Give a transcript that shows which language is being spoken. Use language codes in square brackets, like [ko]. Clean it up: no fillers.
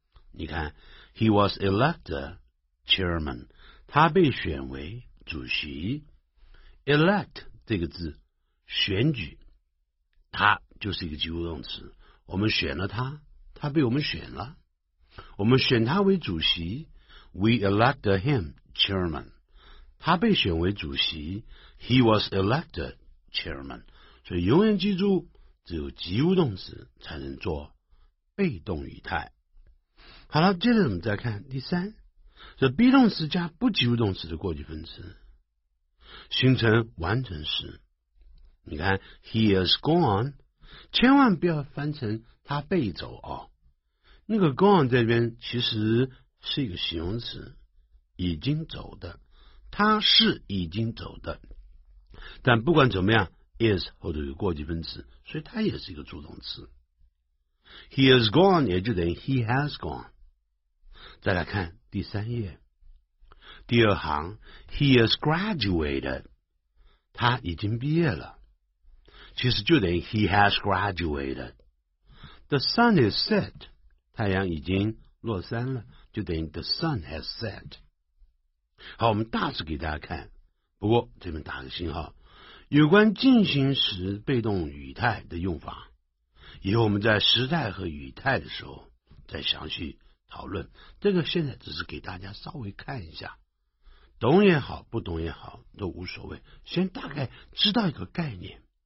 [zh] 你看 [en] He was electedChairman， [zh] 他被选为主席。 Elect 这个字，选举，他就是一个及物动词。我们选了他，他被我们选了。我们选他为主席 ， [en] We elected him chairman。 [zh] 他被选为主席 ， [en] He was elected chairman。 [zh] 所以永远记住，只有及物动词才能做被动语态。好了，接着我们再看第三。这 be 动词加不及物动词的过去分词，形成完成时。你看 ， [en] He is gone， [zh] 千万不要翻成他被走啊、哦。那个 gone 这边其实是一个形容词，已经走的，他是已经走的。但不管怎么样 ，is 后头有过去分词，所以它也是一个助动词。 [en] He is gone [zh] 也就等于 [en] He has gone。 [zh] 再来看第三页第二行 [en] He is graduated， [zh] 他已经毕业了，其实就等于 [en] He has graduated。 The sun is set， [zh] 太阳已经落山了，就等于 [en] The sun has set。 [zh] 好，我们大致给大家看，不过这边打个信号，有关进行时被动语态的用法，以后我们在时态和语态的时候再详细讨论，这个现在只是给大家稍微看一下，懂也好不懂也好都无所谓，先大概知道一个概念。